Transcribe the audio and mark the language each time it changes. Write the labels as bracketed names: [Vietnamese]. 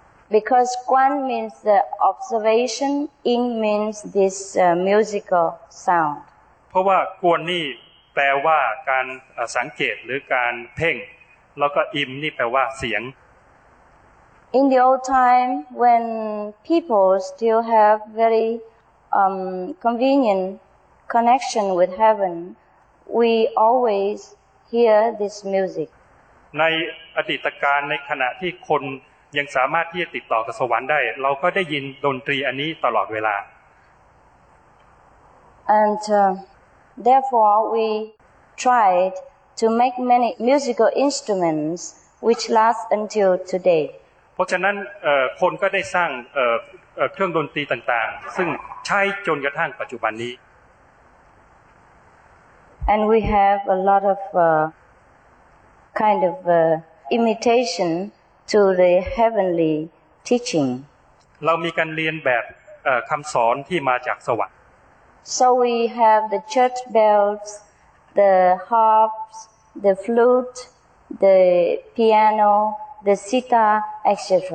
[English] Because Guan means the observation, Yin means this musical sound. [Thai] เพราะว่า Guan นี่แปลว่าการสังเกตหรือการเพ่งแล้วก็ Yin นี่แปลว่าเสียง [English] In the old time, when people still have very convenient connection with heaven, we always hear this music. [Thai] ในอดีตการในขณะที่คนยังสามารถที่จะติดต่อกับสวรรค์ได้เราก็ได้ยินดนตรีอันนี้ตลอดเวลา [English] And therefore we tried to make many musical instruments which last until today [Thai] เพราะฉะนั้นคนก็ได้สร้างเครื่องดนตรีต่างๆซึ่งใช้จนกระทั่งปัจจุบันนี้ [English] And we have a lot of kind of imitation to the heavenly teaching. [Thai] เรามีการเรียนแบบคำสอนที่มาจากสวรรค์ [English] So we have the church bells, the harps, the flute, the piano, the sitar, etc.